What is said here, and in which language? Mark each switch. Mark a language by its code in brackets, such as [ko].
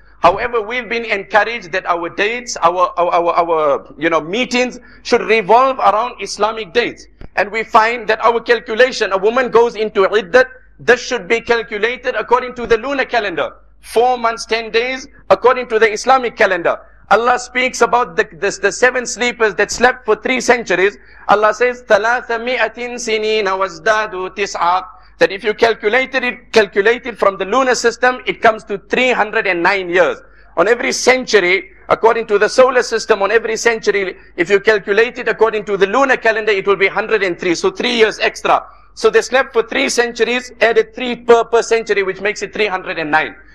[en] However, we've been encouraged that our dates, our meetings should revolve around Islamic dates. And we find that our calculation, a woman goes into iddat, this should be calculated according to the lunar calendar. 4 months, 10 days, according to the Islamic calendar. Allah speaks about the seven sleepers that slept for 3 centuries. Allah says, [ar] ثَلَاثَ مِئَةٍ سِنِينَ وَازْدَادُوا تِسْعًا. [en] That if you calculate it from the lunar system, it comes to 309 years. On every century, according to the solar system, on every century, if you calculate it according to the lunar calendar, it will be 103. So 3 years extra. So they slept for 3 centuries, added 3 per century, which makes it 309.